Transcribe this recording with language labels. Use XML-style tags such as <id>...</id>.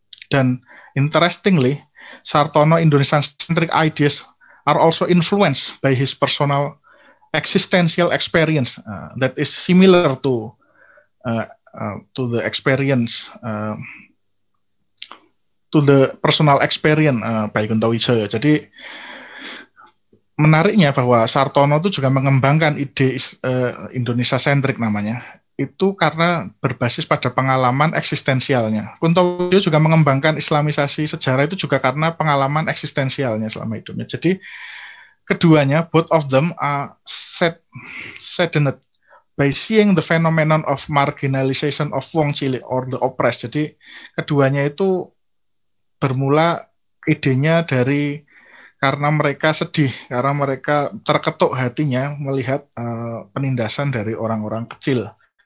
<id>dan</id> <en>interestingly, Sartono Indonesian centric ideas are also influenced by his personal existential experience that is similar to the experience to the personal experience by Kuntowijoyo.</en> <id>Jadi menariknya bahwa Sartono itu juga mengembangkan ide Indonesia sentrik namanya. Itu karena berbasis pada pengalaman eksistensialnya. Kuntowijoyo juga mengembangkan Islamisasi sejarah itu juga karena pengalaman eksistensialnya selama hidupnya. Jadi keduanya,</id> <en>both of them are saddened by seeing the phenomenon of marginalization of wong cilik or the oppressed.</en> <id>Jadi keduanya itu bermula idenya dari karena mereka sedih, karena mereka terketuk hatinya melihat penindasan dari orang-orang kecil.</id>